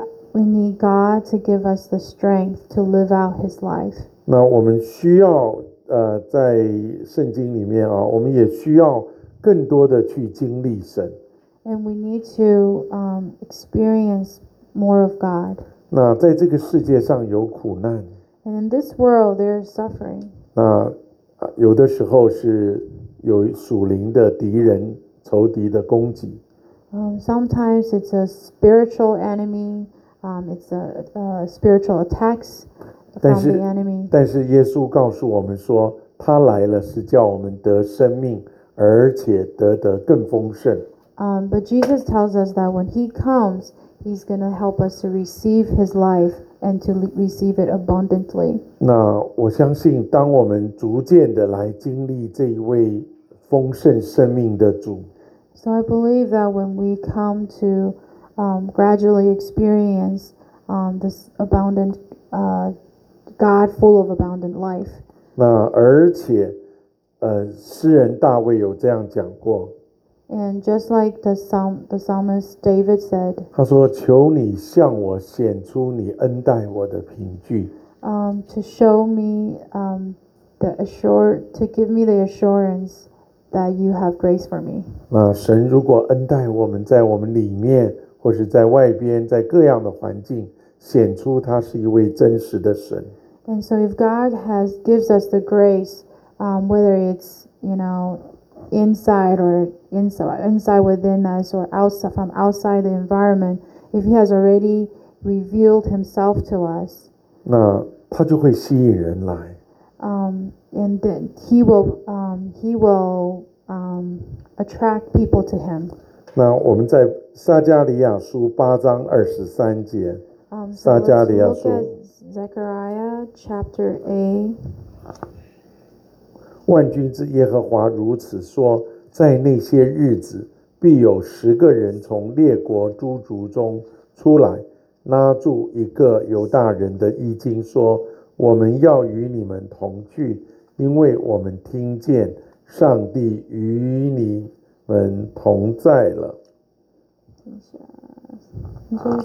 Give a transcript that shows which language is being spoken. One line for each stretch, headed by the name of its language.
English: We need God to give us the strength to live out His life.
Chinese: 那我们需要在圣经里面啊，我们也需要更多的去经历神。
English: And we need to experience more of God.
Chinese: 那在这个世界上有苦难。
English: And in this world, there is suffering.
Chinese: 那有的时候是有属灵的敌人、仇敌的攻击。
English: Sometimes it's a spiritual enemy. It's a spiritual attacks from the enemy.
Chinese: 但是耶稣告诉我们说，他来了是叫我们得生命，而且得更丰盛。
English: But Jesus tells us that when He comes, He's going to help us to receive His life and to receive it abundantly.
Chinese: 那我相信，当我们逐渐的来经历这一位丰盛生命的主。
English: So I believe that when we come to gradually experience this abundant God full of abundant life.
Chinese: 那而且，诗人大卫有这样讲过。
English: And just like the psalmist David said,
Chinese: 他说：“求你向我显出你恩待我的凭据。”
English: To show me to give me the assurance that you have grace for me.
Chinese: 那神如果恩待我们，在我们里面或是在外边，在各样的环境显出他是一位真实的神。
English: And so if God gives us the grace, whether it's you know. Inside within us, or outside from outside the environment, if He has already revealed Himself to us,
Chinese: 那他就会吸引人来。
English: And then He will attract people to Him.
Chinese: 那我们在撒加利亚书八章二十三节。撒加利亚书。
English: Zechariah chapter 8.
Chinese: 万军之耶和华如此说，在那些日子，必有十个人从列国诸族中出来，拉住一个犹大人的衣襟，说：“我们要与你们同去，因为我们听见上帝与你们同在了。”